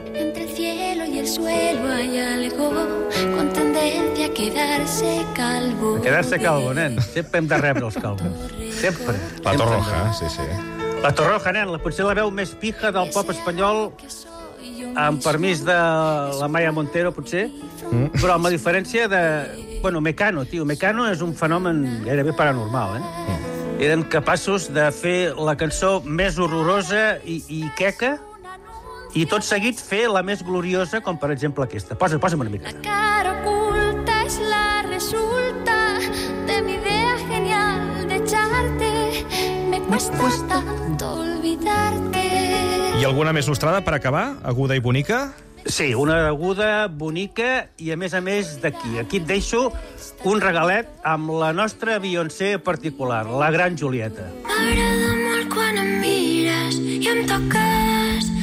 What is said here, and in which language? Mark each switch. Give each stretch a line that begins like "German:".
Spanish: Entre el cielo y el suelo hay algo con tendencia a quedarse calvo. A quedarse calvo, nen.
Catalan: Sempre hem de rebre els calvos. Sempre. La Torroja, sí, sí. La Torroja, nen, potser la veu més pija del pop espanyol amb permís de la Maya Montero, potser, però amb la diferència de... Bueno, Mecano, tio. Mecano és un fenomen gairebé paranormal, eh? Eren capaços de fer la cançó més horrorosa i queca i tot seguit fer la més gloriosa, com per exemple aquesta. Posa'm una mica.
Spanish: La cara oculta és la resulta de mi idea genial d'echarte. Me cuesta tanto olvidarte.
Catalan: I alguna més nostrada per acabar? Aguda i bonica? Sí, una aguda, bonica i, a més d'aquí. Aquí et deixo un regalet amb la nostra Beyoncé particular, la gran Julieta. M'agrada molt quan em mires i em toques